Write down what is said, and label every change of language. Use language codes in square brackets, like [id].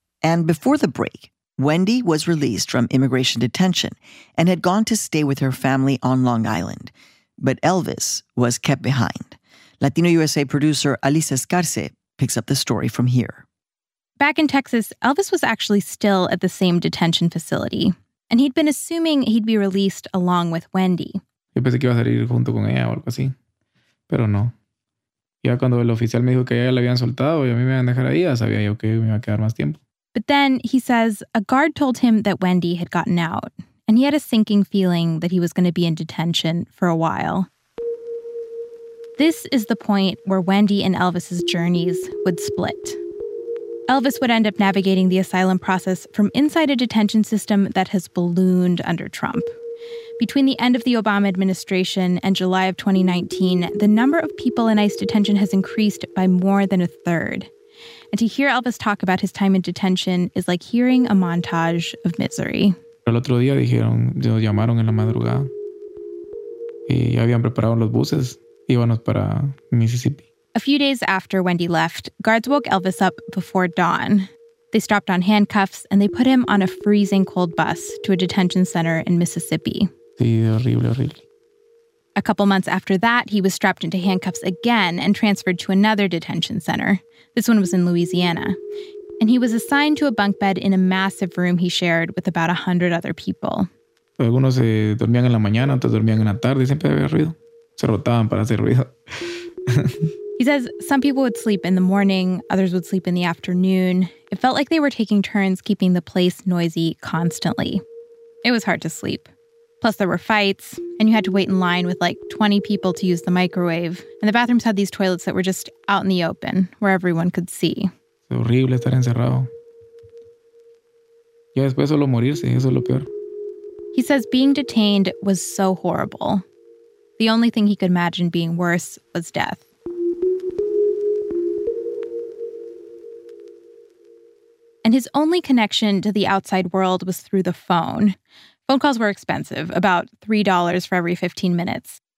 [en] And before the break, Wendy was released from immigration detention and had gone to stay with her family on Long Island. But Elvis was kept behind. Latino USA producer Alice Escarce picks up the story from here. Back in Texas, Elvis was actually still at the same detention facility. And he'd been assuming he'd be released along with Wendy. [es] Yo pensé que iba a salir junto con ella o algo así, pero no. Ya cuando el oficial me dijo que ya la habían soltado y a mí me iban a dejar ahí, ya sabía yo que me iba a quedar más tiempo. [en] But then, he says, a guard told him that Wendy had gotten out, and he had a sinking feeling that he was going to be in detention for a while. This is the point where Wendy and Elvis's journeys would split. Elvis would end up navigating the asylum process from inside a detention system that has ballooned under Trump. Between the end of the Obama administration and July of 2019, the number of people in ICE detention has increased by more than a third. And to hear Elvis talk about his time in detention is like hearing a montage of misery. [es] El otro día dijeron, nos llamaron en la madrugada. Y ya habían preparado los buses. Íbamos para Mississippi. [en] A few days after Wendy left, guards woke Elvis up before dawn. They strapped on handcuffs and they put him on a freezing cold bus to a detention center in Mississippi. [es] Sí, horrible, horrible. [en] A couple months after that, he was strapped into handcuffs again and transferred to another detention center. This one was in Louisiana. And he was assigned to a bunk bed in a massive room he shared with about 100 other people. [es] Algunos se dormían en la mañana, otros dormían en la tarde, siempre había ruido. Se rotaban para hacer ruido. [en] He says some people would sleep in the morning, others would sleep in the afternoon. It felt like they were taking turns keeping the place noisy constantly. It was hard to sleep. Plus, there were fights, and you had to wait in line with like 20 people to use the microwave. And the bathrooms had these toilets that were just out in the open, where everyone could see. [es] Es horrible estar encerrado. Ya después solo morirse, eso es lo peor. [en] He says being detained was so horrible. The only thing he could imagine being worse was death. And his only connection to the outside world was through the phone. Phone calls were expensive, about $3 for every 15 minutes.